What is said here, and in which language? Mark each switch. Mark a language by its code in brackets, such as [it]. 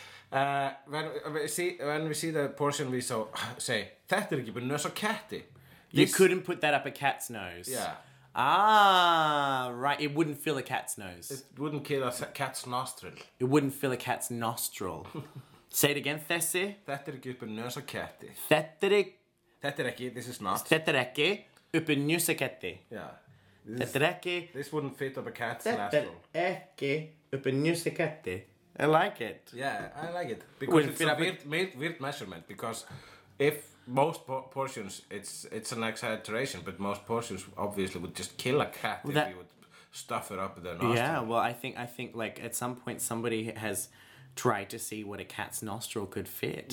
[en] When we see the portion, we so say [is] þetta er ekki bara nös á ketti. [en] You couldn't put that up a cat's nose. Yeah. Ah, right. It wouldn't fill a cat's nose. It wouldn't kill a cat's nostril. It wouldn't fill a cat's nostril. Say it again, þessi. [is] Þetta er ekki bara nös á ketti. Þetta er ekki. [en] This is not. [is] Þetta er ekki uppi nös á ketti. [en] Yeah. [is] Þetta er ekki. [en] This wouldn't fit up a cat's nostril. [is] Þetta er ekki uppi nös á ketti. [en] I like it. Yeah, I like it. Because it's a weird measurement. Because if most portions, it's an exaggeration, but most portions obviously would just kill a cat if you would stuff it up their nostril. Yeah, well, I think like at some point somebody has tried to see what a cat's nostril could fit.